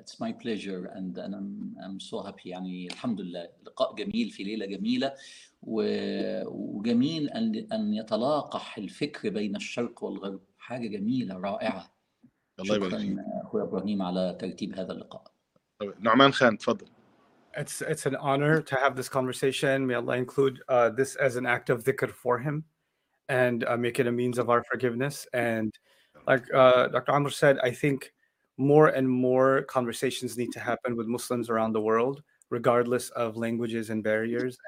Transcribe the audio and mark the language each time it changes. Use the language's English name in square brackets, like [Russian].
[English] It's my pleasure and I'm so happy. [Arabic] يعني الحمد لله لقاء جميل في ليلة جميلة, وجميل أن يتلاقح الفكر بين الشرق والغرب, حاجة جميلة رائعة. الله يبارك فيك أخويا إبراهيم على ترتيب هذا اللقاء. نعمان خان, تفضل. [English] It's an honor to have this conversation. May Allah include this as an act of dhikr for him and make it a means of our forgiveness. And like Dr. Amr said, I think more and more conversations need to happen with Muslims around the world, regardless of languages and barriers.